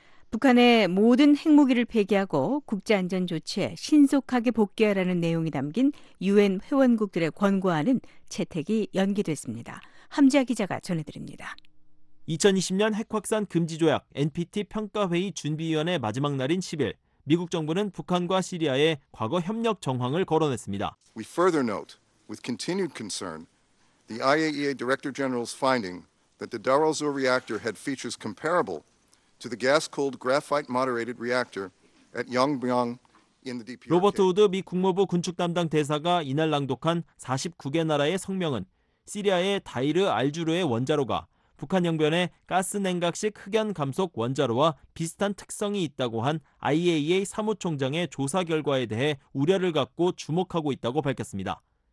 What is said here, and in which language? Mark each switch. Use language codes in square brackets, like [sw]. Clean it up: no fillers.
[ko] 북한의 모든 핵무기를 폐기하고 국제안전조치에 신속하게 복귀하라는 내용이 담긴 UN 회원국들의 권고안은 채택이 연기됐습니다. 함지아 기자가 전해드립니다. 2020년 핵확산 금지조약 NPT 평가회의 준비위원회 마지막 날인 10일 미국 정부는 북한과 시리아의 과거 협력 정황을 거론했습니다. [en] We further note with continued concern the IAEA Director General's finding that the Dara-Zur reactor had features comparable to the gas-cooled graphite-moderated reactor at Yongbyon in the DPRK. [ko] 로버트 우드 미 국무부 군축 담당 대사가 이날 낭독한 49개 나라의 성명은 시리아의 다이르 알주르의 원자로가 북한 영변에 가스 냉각식 흑연 감속 원자로와 비슷한 특성이 있다고 한 IAEA 사무총장의 조사 결과에 대해 우려를 갖고 주목하고 있다고 밝혔습니다.